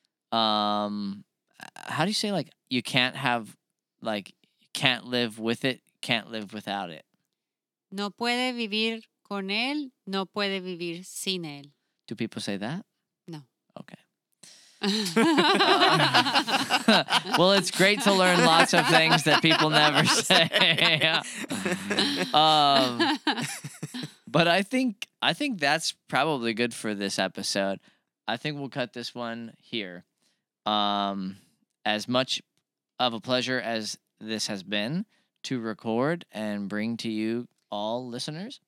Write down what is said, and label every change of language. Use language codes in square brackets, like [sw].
[en] How do you say, like, you can't have, like, can't live with it, can't live without it? [es] No puede vivir con él, no puede vivir sin él. [en] Do people say that? No. Okay. Well, it's great to learn lots of things that people never say. But I think that's probably good for this episode. I think we'll cut this one here. As much of a pleasure as this has been to record and bring to you all listeners.